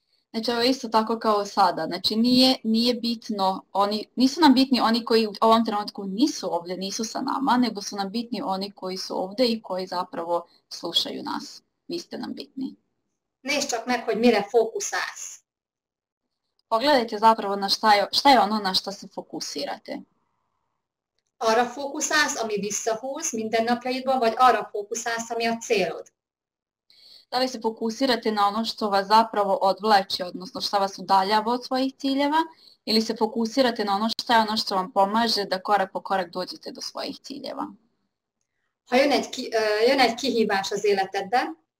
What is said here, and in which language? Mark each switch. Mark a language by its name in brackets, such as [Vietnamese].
[Serbian] Znači, ovo je isto tako kao sada. Znači, nije bitno, nisu nam bitni oni koji u ovom trenutku nisu ovdje, nisu sa nama, nego su nam bitni oni koji su ovdje i koji zapravo slušaju nas. Vi ste nam bitni. [Hungarian] Nézd csak meg, hogy mire fókuszálsz. [Serbian] Pogledajte zapravo na šta je ono na šta se fokuszírate. [Hungarian] Arra fókuszálsz, ami visszahúz mindennapjaidban, vagy arra fókuszálsz, ami a célod? [Serbian] Da li se fokuszírate na ono što vas zapravo odvlači, odnosno šta vas udaljava od svojih ciljeva, ili se fokuszírate na ono šta je ono što vam pomaže da korak po korak dođete do svojih ciljeva? [Hungarian] Ha jön egy kihívás az életedben,